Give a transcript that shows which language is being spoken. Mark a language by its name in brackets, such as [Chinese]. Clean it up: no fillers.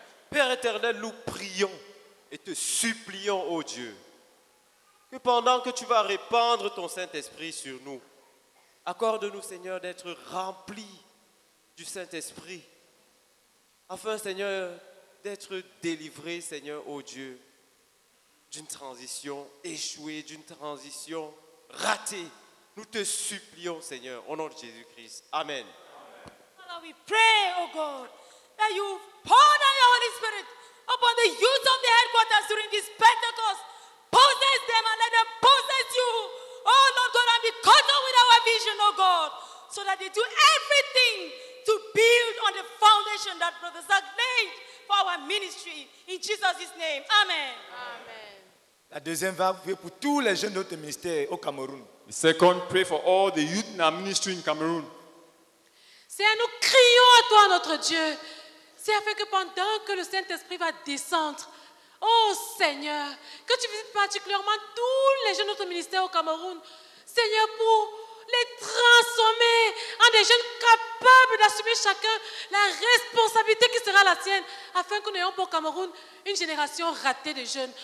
[French] Père éternel, nous prions et te supplions, ô Dieu, que pendant que tu vas répandre ton Saint-Esprit sur nous, accorde-nous, Seigneur, d'être remplis du Saint-Esprit afin, Seigneur, d'être délivré, Seigneur, ô Dieu, d'une transition échouée, d'une transition ratée. Nous te supplions, Seigneur, au nom de Jésus-Christ. Amen. [English] Father, we pray, O God, that you pour down your Holy Spirit upon the youth of the headquarters during this Pentecost. Possess them and let them possess you, O Lord God, and be caught up with our vision, O God, so that they do everything to build on the foundation that Brother Zach laid for our ministry, in Jesus' name. Amen. Amen. [French] La deuxième va prier pour tous les jeunes de notre ministère au Cameroun. [English] The second, pray for all the youth in our ministry in Cameroun. [French] Seigneur, nous crions à toi, notre Dieu. C'est afin que pendant que le Saint-Esprit va descendre, oh Seigneur, que tu visites particulièrement tous les jeunes de notre ministère au Cameroun, Seigneur, pour les transformer en des jeunes capables capable d'assumer chacun la responsabilité qui sera la sienne afin que nous ayons pour Cameroun une génération ratée de jeunes.